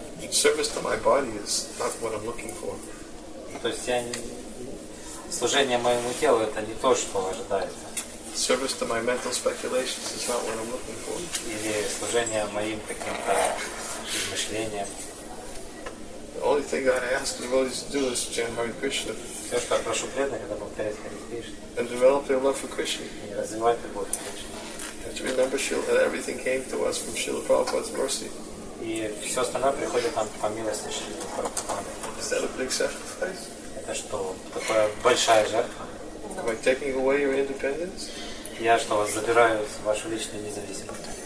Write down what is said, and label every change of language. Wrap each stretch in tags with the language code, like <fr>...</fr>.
<en>Service to my body is not what I'm looking for.</en> <ru>То есть я не... служение моему телу это не то, что ожидается.</ru> <en>Service to my mental speculations is not what I'm looking for.</en> <ru>Или служение моим каким-то измышлениям.</ru> <en>The only thing that I ask devotees to do is chant Hare Krishna.</en> <ru>Все, что я прошу преданных, это повторять Hare Krishna.</ru> <en>And develop their love for Krishna.</en> <ru>И развивать любовь к Кришне.</ru> <en>And to remember that everything came to us from Srila Prabhupada's mercy.</en> <ru>И все остальное приходит там по милости Шрилы Прабхупады.</ru> <en>Is that a big sacrifice?</en> <ru>Это что, такая большая жертва?</ru> <en>Am I taking away your independence?</en> <ru>Я что, вас забираю в вашу личную независимость?</ru>